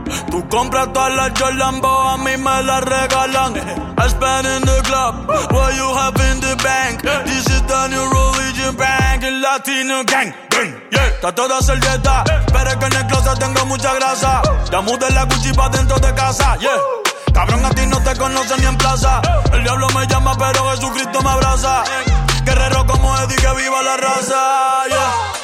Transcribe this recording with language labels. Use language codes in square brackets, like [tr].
[es] Tú compras todas las Jolambo, a mí me las regalan. [en] I spend in the club, what you have in the bank. This is the new religion bank, [es] el latino gang. Está toda servieta, pero es que en el closet tengo mucha grasa. Ya mudé la Gucci pa' dentro de casa. Yeah. Cabrón, a ti no te conoce ni en plaza. El diablo me llama pero Jesucristo me abraza. Guerrero como Eddie, que viva la raza. Yeah.